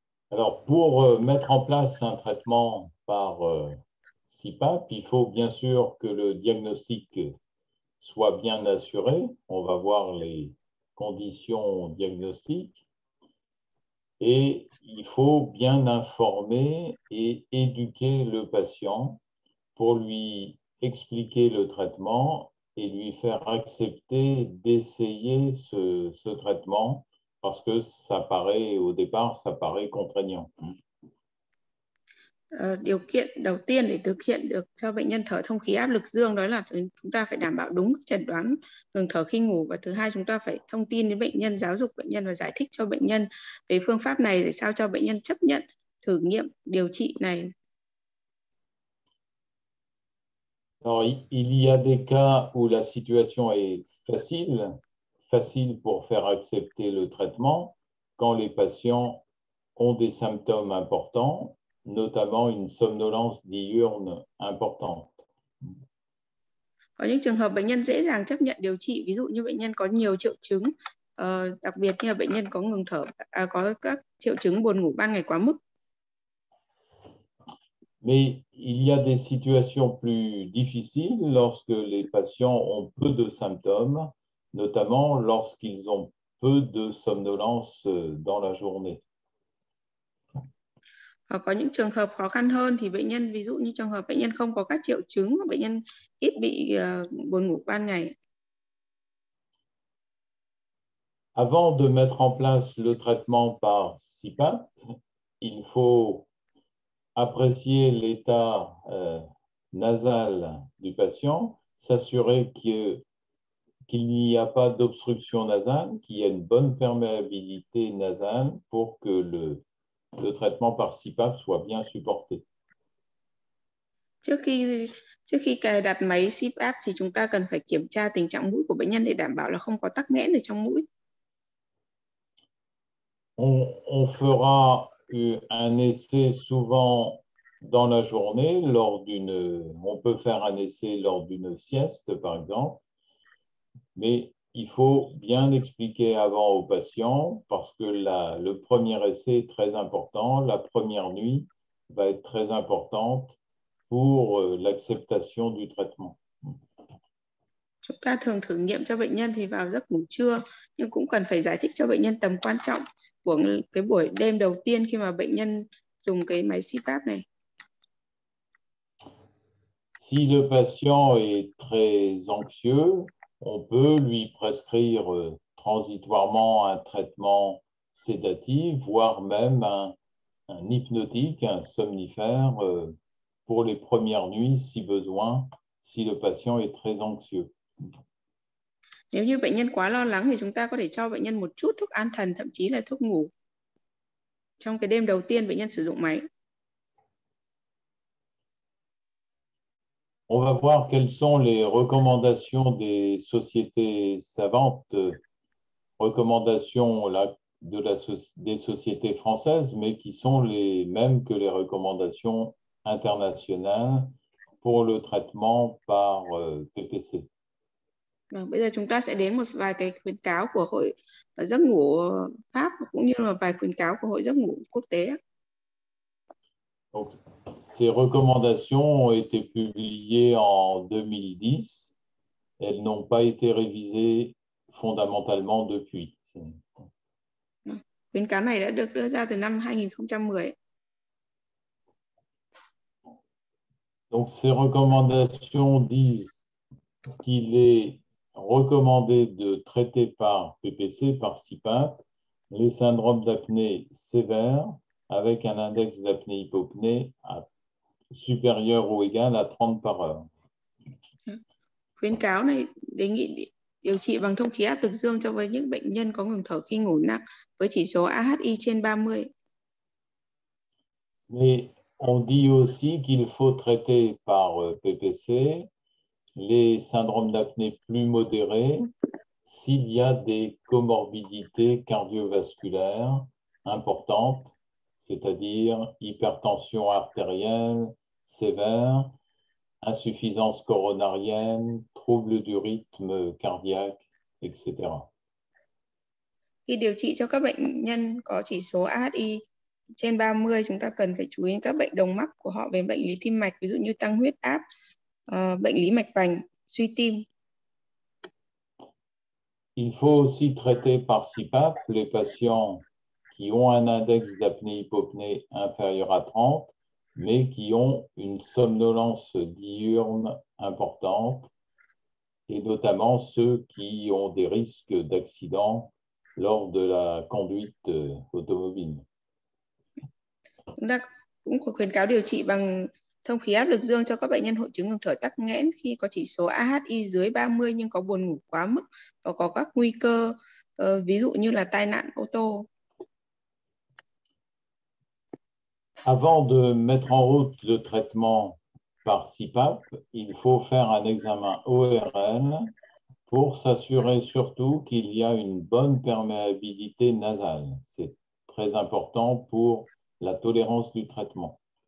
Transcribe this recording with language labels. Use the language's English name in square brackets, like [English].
[French] Alors pour mettre en place un traitement par CPAP, il faut bien sûr que le diagnostic soit bien assuré. On va voir les conditions diagnostiques. Et il faut bien informer et éduquer le patient pour lui expliquer le traitement et lui faire accepter d'essayer ce traitement parce que ça paraît contraignant. [Vietnamese] Điều kiện đầu tiên để thực hiện được cho bệnh nhân thở thông khí áp lực dương đó là chúng ta phải đảm bảo đúng chẩn đoán ngừng thở khi ngủ, và thứ hai chúng ta phải thông tin đến bệnh nhân, giáo dục bệnh nhân và giải thích cho bệnh nhân về phương pháp này để sao cho bệnh nhân chấp nhận thử nghiệm điều trị này. [French] Alors, il y a des cas où la situation est facile pour faire accepter le traitement quand les patients ont des symptômes importants, notamment une somnolence diurne importante. [Vietnamese] Có những trường hợp bệnh nhân dễ dàng chấp nhận điều trị, ví dụ như bệnh nhân có nhiều triệu chứng, đặc biệt như là bệnh nhân có ngừng thở, có các triệu chứng buồn ngủ ban ngày quá mức. [French] Mais il y a des situations plus difficiles lorsque les patients ont peu de symptômes, notamment lorsqu'ils ont peu de somnolence dans la journée. [Vietnamese] Có những trường hợp khó khăn hơn thì bệnh nhân, ví dụ như trường hợp bệnh nhân không có các triệu chứng, bệnh nhân ít bị buồn ngủ ban ngày. [French] Avant de mettre en place le traitement par CPAP, il faut apprécier l'état nasal du patient, s'assurer qu'il n'y a pas d'obstruction nasale, qu'il y a une bonne perméabilité nasale pour que le traitement par CPAP soit bien supporté. [Vietnamese] Trước khi cài đặt máy CPAP thì chúng ta cần phải kiểm tra tình trạng mũi của bệnh nhân để đảm bảo là không có tắc nghẽn ở trong mũi. [French] On fera un essai souvent dans la journée on peut faire un essai lors d'une sieste par exemple, mais il faut bien expliquer avant au patient parce que le premier essai est très important, la première nuit va être très importante pour l'acceptation du traitement. [Vietnamese] Chúng ta thường thử nghiệm cho bệnh nhân thì vào giấc ngủ trưa, nhưng cũng cần phải giải thích cho bệnh nhân tầm quan trọng của cái buổi đêm đầu tiên khi mà bệnh nhân dùng cái máy CPAP này. [French] Si le patient est très anxieux, on peut lui prescrire transitoirement un traitement sédatif, voire même un hypnotique, un somnifère, pour les premières nuits si besoin, si le patient est très anxieux. [Vietnamese] Nếu như bệnh nhân quá lo lắng thì chúng ta có thể cho bệnh nhân một chút thuốc an thần, thậm chí là thuốc ngủ trong cái đêm đầu tiên bệnh nhân sử dụng máy. [French] On va voir quelles sont les recommandations des sociétés savantes, recommandations des sociétés françaises, mais qui sont les mêmes que les recommandations internationales pour le traitement par PPC. [Vietnamese] Vâng, bây giờ chúng ta sẽ đến một vài cái khuyến cáo của hội giấc ngủ Pháp cũng như là vài khuyến cáo của hội giấc ngủ quốc tế. [French] Donc, ces recommandations ont été publiées en 2010. Elles n'ont pas été révisées fondamentalement depuis. [Vietnamese] Khuyến cáo này đã được đưa ra từ năm 2010. [French] Donc, ces recommandations disent qu'il est recommandé de traiter par PPC, par CPAP, les syndromes d'apnée sévères avec un index d'apnée hypopnée supérieur ou égal à 30 par heure. [Vietnamese] Khuyến cáo này đề nghị điều trị bằng thông khí áp lực dương cho với những bệnh nhân có ngừng thở khi ngủ nặng với chỉ số AHI trên 30. [French] Mais on dit aussi qu'il faut traiter par PPC les syndromes d'apnée plus modérés s'il y a des comorbidités cardiovasculaires importantes, c'est-à-dire hypertension artérielle sévère, insuffisance coronarienne, troubles du rythme cardiaque, etc. [Vietnamese] Khi điều trị cho các bệnh nhân có chỉ số AHI trên 30, chúng ta cần phải chú ý các bệnh đồng mắc của họ về bệnh lý tim mạch, ví dụ như tăng huyết áp, bệnh lý mạch vành, suy tim. [French] Il faut aussi traiter par CPAP les patients qui ont un index d'apnée hypopnée inférieur à 30, mais qui ont une somnolence diurne importante, et notamment ceux qui ont des risques d'accident lors de la conduite automobile. [Vietnamese] Cũng có khuyến cáo điều trị bằng thông khí áp lực dương cho các bệnh nhân hội chứng ngừng thở tắc nghẽn khi có chỉ số AHI dưới 30 nhưng có buồn ngủ quá mức và có các nguy cơ ví dụ như là tai nạn ô tô. [French] Avant de mettre en route le traitement par CPAP, il faut faire un examen ORL pour s'assurer surtout qu'il y a une bonne perméabilité nasale. C'est très important pour la tolérance du traitement.